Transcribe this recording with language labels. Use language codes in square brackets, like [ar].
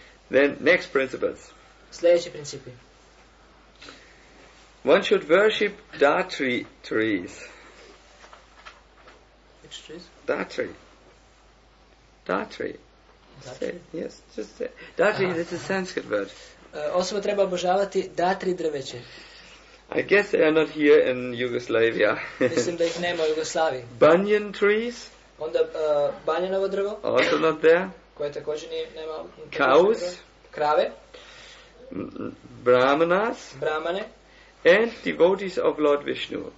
[en] Then next principles. [hr] Sljedeći principi. [en] One should worship datri trees. Which trees? Datri. Datri? Yes, just say. Datri, this is a Sanskrit word. [hr] Osoba treba obožavati datri drveće. [en] I guess they are not here in Yugoslavia. [hr] Mislim da ih nema u Jugoslaviji. [en] Banyan trees? [hr] Onda banjanovo drvo. [en] Also not there. [hr] Koje također nema. [en] Cows? [hr] Krave. [en] Brahmanas? [hr] Brahmane. [en] And devotees of Lord Vishnu.